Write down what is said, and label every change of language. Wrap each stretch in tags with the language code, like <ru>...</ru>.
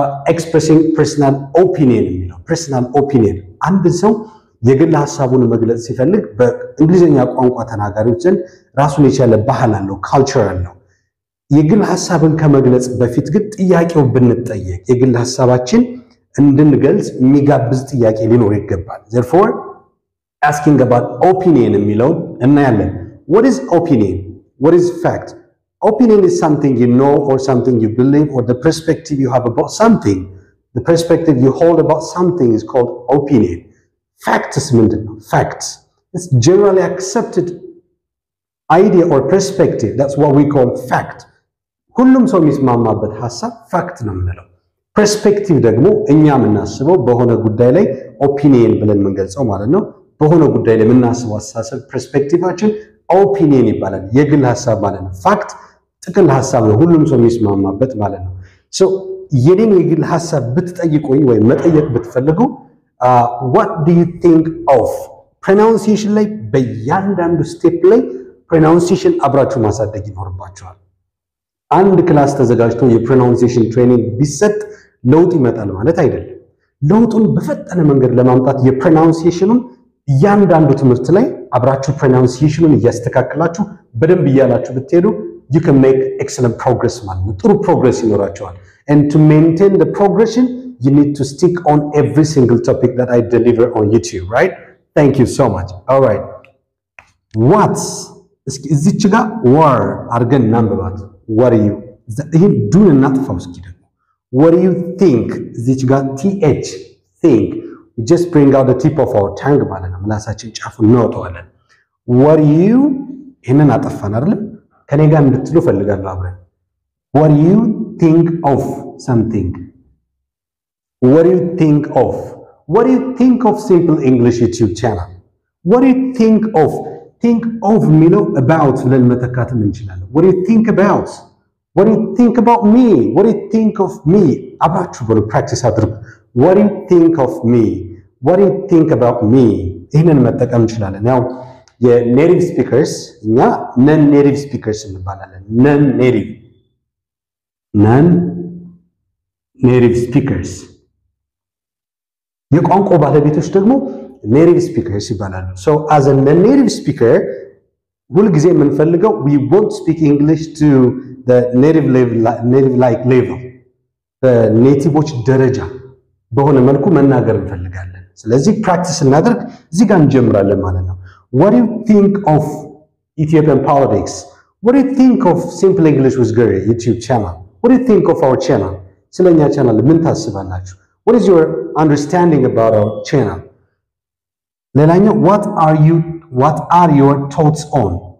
<am>ኤክስፕሬሲንግ ፐርሰናል ኦፒኒየን የሚለው ፐርሰናል ኦፒኒየን፣ አንድ ሰው የግል ሀሳቡን መግለጽ ሲፈልግ በእንግሊዝኛ ቋንቋ ተናጋሪዎች ዘንድ ራሱን የቻለ ባህል አለው፣ ካልቸር አለው። የግል ሀሳብን ከመግለጽ በፊት ግን ጥያቄው ብንጠየቅ፣ የግል ሀሳባችን እንድንገልጽ የሚጋብዝ ጥያቄ ሊኖር ይገባል። ዘርፎር አስኪንግ አባት ኦፒኒየን የሚለውን እናያለን። ዋት ኢዝ ኦፒኒየን?</am> <en>ዋት ኢዝ ፋክት? Opinion is something you know or something you believe or the perspective you have about something. The perspective you hold about something is called opinion. Facts mean facts. It's generally accepted idea or perspective. That's what we call fact.</en> <am>ሁሉም ሰው የሚስማማበት ሐሳብ ፋክት ነው የምንለው። Perspective ደግሞ እኛ የምናስበው በሆነ ጉዳይ ላይ opinion ብለን የምንገልጸው ማለት ነው። በሆነ ጉዳይ ላይ የምናስበው አስተሳሰብ perspectiveአችን opinion ይባላል። የግል ሐሳብ ማለት ነው። Fact ጥቅል ሐሳብ ነው፣ ሁሉም ሰው የሚስማማበት ማለት ነው። ሶ የኔን የግል ሐሳብ ብትጠይቁኝ ወይ መጠየቅ ብትፈልጉ</am> <en>what do you think of?</en> <am>pronunciation ላይ በእያንዳንዱ ስቴፕ ላይ pronunciation አብራችሁ ማሳደግ ይኖርባችኋል። አንድ ክላስ ተዘጋጅቶ የpronunciation training ቢሰጥ ለውጥ ይመጣል ማለት አይደለም። ለውጡን በፈጠነ መንገድ ለማምጣት የpronunciationን እያንዳንዱ ትምህርት ላይ አብራችሁ pronunciationን እያስተካከላችሁ በደንብ እያላችሁ ብትሄዱ</am> <en>you can make excellent progress</en> <am>ማለት ነው። ጥሩ ፕሮግረስ ይኖራችኋል።</am> <en>And to maintain the progression, you need to stick on every single topic that I deliver on YouTube, right? Thank you so much. All right. What?</en> <am>እዚች ጋ were አድርገን እናንብባት።</am> <en>What are you?</en> <am>ይህን ዱን እናጥፋው እስኪ ደግሞ።</am> <en>What do you think? እዚች ጋ TH, think. We just bring out the tip of our tongue</en> <am>ማለት ነው። ምላሳችን ጫፉ እናወጣዋለን።</am> <en>What are you?</en> <am>ይህንን አጠፋን አይደለም? ከኔ ጋር እንድትሉ ፈልጋለሁ አብረን።</am> <en>What do you think of something? What do you think of? What do you think of Simple English YouTube channel? What do you think of? Think of ሚለው about</en> <am>ብለን መተካት እንችላለን።</am> <en>What do you think about? What do you think about me? What do you think of me?</en> <am>አብራችሁ በሉ practice አድርጉ።</am> <en>What do you think of me? What do you think about me?</en> <am>ይህንን መጠቀም እንችላለን። ያው የኔቲቭ ስፒከርስ እኛ ነን ኔቲቭ ስፒከርስ እንባላለን። ነን ኔቲቭ ነን ኔቲቭ ስፒከርስ። የቋንቋ ባለቤቶች ደግሞ ኔቲቭ ስፒከርስ ይባላሉ። ሶ አዝ አ ኔቲቭ ስፒከር ሁልጊዜ የምንፈልገው ዊ ዎንት ስፒክ እንግሊሽ ቱ ዘ ኔቲቭ ሌቭል ኔቲቭ ላይክ ሌቭል በኔቲቮች ደረጃ በሆነ መልኩ መናገር እንፈልጋለን። ስለዚህ ፕራክቲስ እናደርግ፣ እዚህ ጋር እንጀምራለን ማለት ነው።</am> <en>What do you think of Ethiopian politics? What do you think of Simple English with Gary YouTube channel? What do you think of our channel?</en> <am>ስለኛ ቻናል ምን ታስባላችሁ?</am> <en>What is your understanding about our channel? ለላኛ what are your thoughts on?</en>